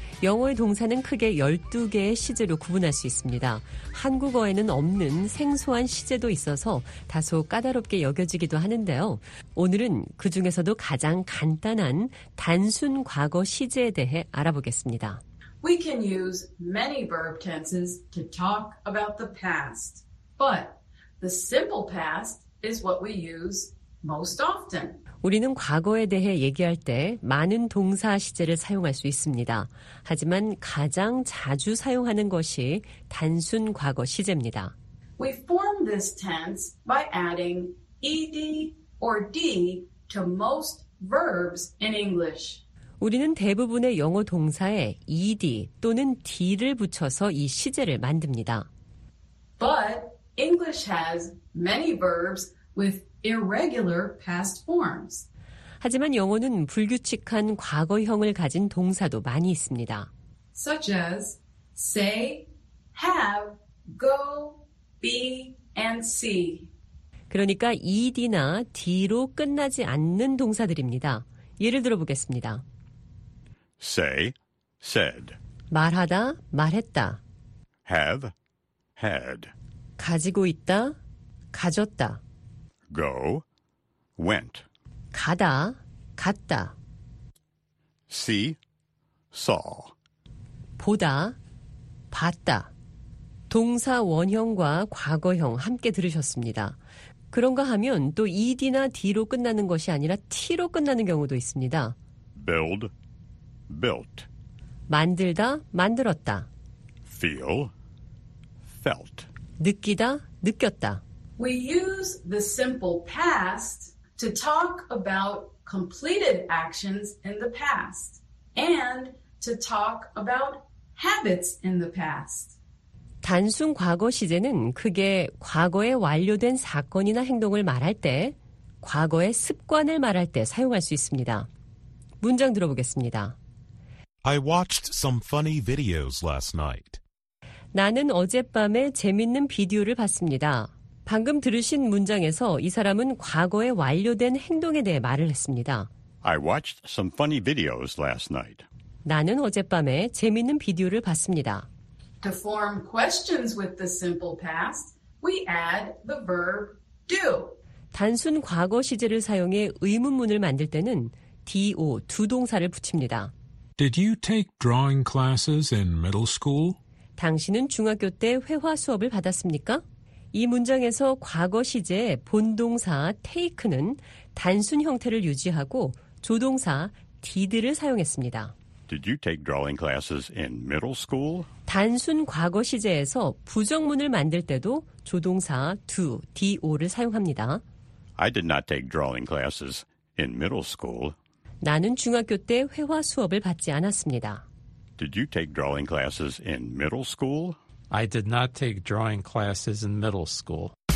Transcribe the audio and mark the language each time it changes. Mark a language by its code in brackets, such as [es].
[ko] 영어의 동사는 크게 12개의 시제로 구분할 수 있습니다. 한국어에는 없는 생소한 시제도 있어서 다소 까다롭게 여겨지기도 하는데요. 오늘은 그 중에서도 가장 간단한 단순 과거 시제에 대해 알아보겠습니다. [en] We can use many verb tenses to talk about the past, but the simple past is what we use most often. [ko] 우리는 과거에 대해 얘기할 때 많은 동사 시제를 사용할 수 있습니다. 하지만 가장 자주 사용하는 것이 단순 과거 시제입니다. [en] We form this tense by adding ed or d to most verbs in English. [ko] 우리는 대부분의 영어 동사에 ed 또는 d를 붙여서 이 시제를 만듭니다. [en] But English has many verbs with irregular past forms. [ko] 하지만 영어는 불규칙한 과거형을 가진 동사도 많이 있습니다. [en] Such as say, have, go, be, and see. [ko] 그러니까 ed나 d로 끝나지 않는 동사들입니다. 예를 들어보겠습니다. [en] Say, said. [ko] 말하다, 말했다. [en] Have, had. [ko] 가지고 있다, 가졌다. [en] Go, went. [ko] 가다, 갔다. [en] See, saw. [ko] 보다, 봤다. 동사 원형과 과거형 함께 들으셨습니다. 그런가 하면 또 ed나 d로 끝나는 것이 아니라 t로 끝나는 경우도 있습니다. [en] Build, built. [ko] 만들다, 만들었다. [en] Feel, felt. [ko] 느끼다, 느꼈다. [en] We use the simple past to talk about completed actions in the past and to talk about habits in the past. [ko] 단순 과거 시제는 크게 과거에 완료된 사건이나 행동을 말할 때, 과거의 습관을 말할 때 사용할 수 있습니다. 문장 들어보겠습니다. [en] I watched some funny videos last night. [ko] 나는 어젯밤에 재밌는 비디오를 봤습니다. 방금 들으신 문장에서 이 사람은 과거에 완료된 행동에 대해 말을 했습니다. [en] I watched some funny videos last night. [ko] 나는 어젯밤에 재밌는 비디오를 봤습니다. [en] To form questions with the simple past, we add the verb do. [ko] 단순 과거 시제를 사용해 의문문을 만들 때는 do, 두 동사를 붙입니다. [en] Did you take drawing classes in middle school? [ko] 당신은 중학교 때 회화 수업을 받았습니까? 이 문장에서 과거 시제 본동사 take는 단순 형태를 유지하고 조동사 did를 사용했습니다. [en] Did you take drawing classes in middle school? [ko] 단순 과거 시제에서 부정문을 만들 때도 조동사 do, do를 사용합니다. [en] I did not take drawing classes in middle school. [ko] 나는 중학교 때 회화 수업을 받지 않았습니다. [en] Did you take drawing classes in middle school? I did not take drawing classes in middle school.